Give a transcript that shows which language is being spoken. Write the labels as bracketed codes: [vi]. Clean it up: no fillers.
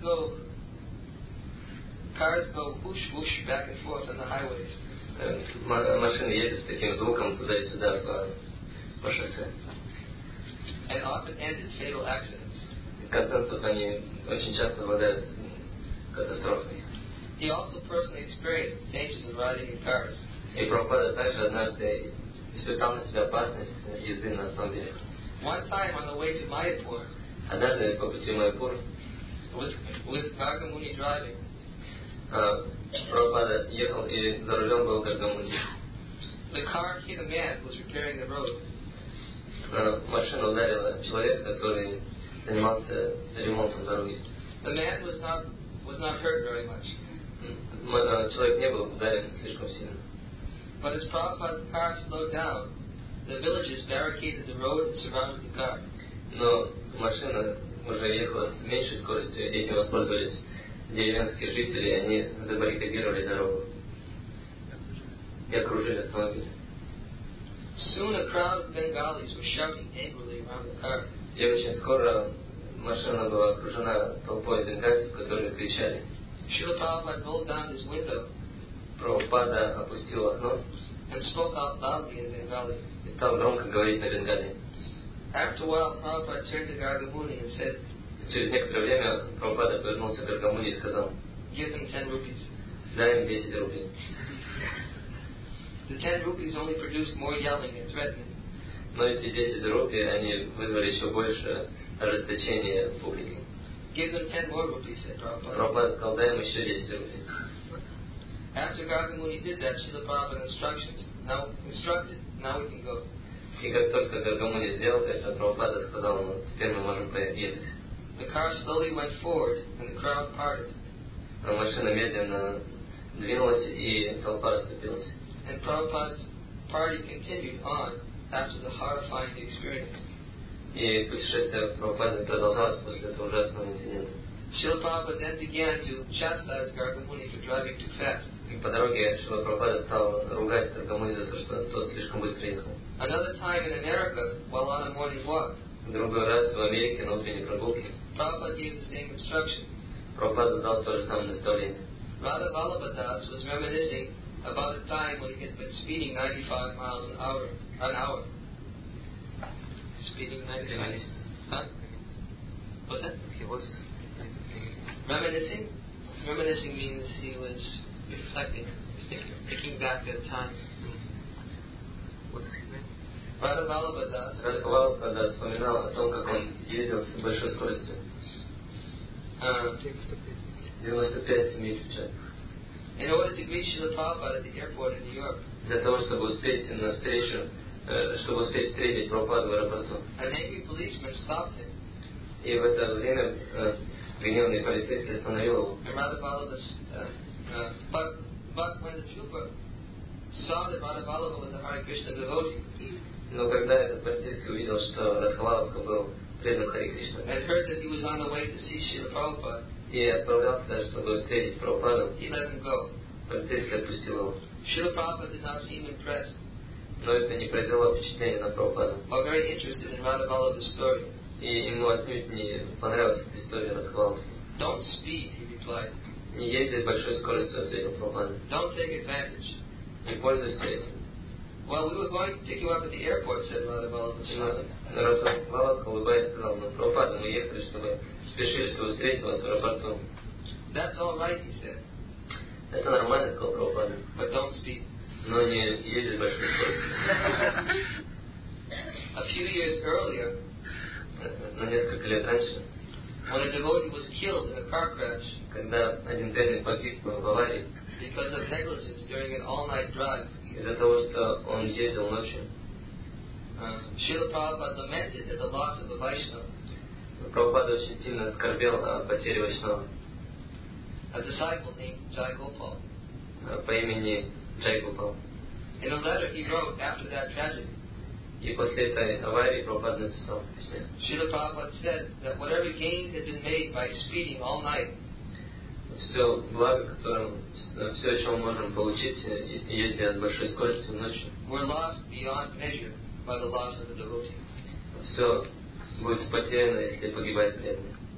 [en] Where cars go whoosh whoosh back and forth on the highways. [ru] Машины едут с таким звуком туда и сюда по шоссе. [en] And often end in fatal accidents. [ru] В конце концов, они очень часто попадают в катастрофы. [en] He also personally experienced the dangers of riding in cars. [ru] И Прабхупада также однажды испытал на себя опасность езды на автомобиле. [en] One time on the way to Mayapur. [ru] Однажды по пути в Майяпур. [en] With Gargamuni driving. [ru] Прабхупада ехал, и за рулем был Гаргамуни. [en] The car hit a man who was repairing the road. [ru] Машина ударила человека, который занимался ремонтом дороги. [en] The man was not hurt very much. [ru] человек не был ударен слишком сильно. [en] But as Prabhupada's car slowed down, the villagers barricaded the road and surrounded the car. [ru] Но машина уже ехала с меньшей скоростью, и этим воспользовались деревенские жители, и они забаррикадировали дорогу и окружили автомобиль. [en] Soon a crowd of Bengalis were shouting angrily around the car. [ru] И очень скоро машина была окружена толпой бенгальцев, которые кричали. [en] Srila Prabhupada rolled down his window. [ru] Прабхупада опустил окно. [en] And spoke out loudly in Bengali. [ru] И стал громко говорить на бенгали. [en] After a while, Prabhupada turned to Gargamuni and said. [ru] Через некоторое время Прабхупада повернулся к Гаргамуни и сказал. [en] Give him 10 rupees. [ru] Дай им 10 рупий. [en] The 10 rupees only produced more yelling and threatening. [ru] Но эти 10 рупий, они вызвали еще больше ожесточения в публике. [en] Give them 10 more rupees, said Prabhupada. [ru] Прабхупада сказал, дай им еще 10 рупий. [en] After Gargamuni did that, Srila Prabhupada instructed, now we can go. [ru] И как только Гаргамуни сделал это, Прабхупада сказал ему, теперь мы можем поехать. [en] The car slowly went forward and the crowd parted. [ru] Но машина медленно двинулась и толпа расступилась. [en] And Prabhupada's party continued on after the horrifying experience. [ru] И путешествие Прабхупады продолжалось после этого ужасного инцидента. [en] Srila Prabhupada then began to chastise Gargamuni for driving too fast. [ru] И по дороге Шрила Прабхупада стал ругать Гаргамуни за то, что тот слишком быстро ехал. [en] Another time in America, while on a morning walk. [ru] Другой раз в Америке на утренней прогулке. [en] Prabhupada gave the same instruction. [ru] Прабхупада дал то же самое наставление. [en] Radha Vallabhadas was reminiscing about a time when he had been speeding 95 miles an hour. Speeding 95 miles. Huh? What's that? He was reminiscing means he was reflecting, thinking back at the time. What's his name? Radha Vallabhadas. [ru] Radha Vallabhadas вспоминал о том, как он ездил с большой скоростью. 95 миль в час. [en] In order to meet Srila Prabhupada at the airport in New York. [ru] Для того, чтобы успеть на встречу, чтобы успеть встретить Прабхупаду в аэропорту. [en] An angry policeman stopped him. [ru] И в это время гневный полицейский остановил его. [en] Radha Vallabhadas. But when the trooper saw that Radha Vallabha was a Hare Krishna devotee, [ru] но когда этот полицейский увидел, что Радхалабха был предан Харе Кришне, [en] and heard that he was on the way to see Srila Prabhupada, [ru] и отправлялся, чтобы встретить Прабхупаду, [en] he let him go. [ru] Полицейский отпустил его. [en] Srila Prabhupada did not seem impressed. [ru] Но это не произвело впечатление на Прабхупаду. [en] But very interested in Radha Vallabha's story. [ru] И ему отнюдь не понравилась эта история Радхалабхи. [en] Don't speed, he replied. [ru] Не ездить большой скоростью, ответил Прабхупада. [en] Don't take advantage. [ru] Не пользуйся этим. [en] Well, we were going to pick you up at the airport, said Radha Vallabha. [ru] Радха Вальбха улыбаясь сказал, но Прабхупада, мы ехали, чтобы спешили, чтобы встретить вас в аэропорту. [en] That's all right, he said. [ru] Это нормально, сказал Прабхупада. [en] But don't speed. [ru] Но не ездить большой скоростью. [en] A few years earlier. [ru] Но несколько лет раньше. [en] When a devotee was killed in a car crash. [ru] Когда один преданный погиб в аварии. [en] Because of negligence during an all-night drive. [ru] Из-за того, что он ездил ночью. [en] Srila Prabhupada lamented at the loss of the Vaishnava. [ru] Прабхупада очень сильно скорбел о потере Вайшнава. [en] A disciple named Jai Gopal. [ru] По имени Джай Гопал. [en] In a letter he wrote after that tragedy. [ru] И после этой аварии Прабхупада написал письме. [en] Srila Prabhupada said that whatever gains had been made by speeding all night. [ru] Все благо, которым все, о чем мы можем получить, если от большой скорости ночью. [en] We're lost beyond measure by the loss of the devotee. [ru] Все будет потеряно, если погибает преданный.